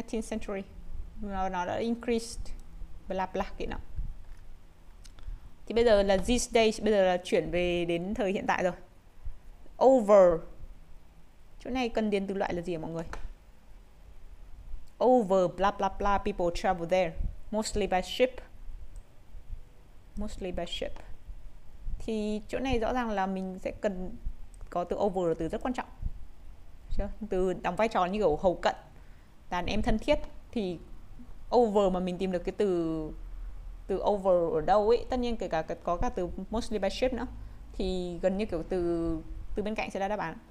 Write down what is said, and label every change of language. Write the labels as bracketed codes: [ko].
[vi] century nó đã increased bla bla kia nào. Thì bây giờ là [en] these days, [vi] bây giờ là chuyển về đến thời hiện tại rồi. Over. Chỗ này cần điền từ loại là gì hả mọi người? [en] Over bla bla bla people travel there, mostly by ship. Mostly by ship. [vi] Thì chỗ này rõ ràng là mình sẽ cần có từ over là từ rất quan trọng. Chưa? Từ đóng vai trò như kiểu hầu cận, đàn em thân thiết thì over mà mình tìm được cái từ từ over ở đâu ấy, tất nhiên kể cả có cả từ [en] mostly by ship [vi] nữa thì gần như kiểu từ từ bên cạnh sẽ ra đáp án.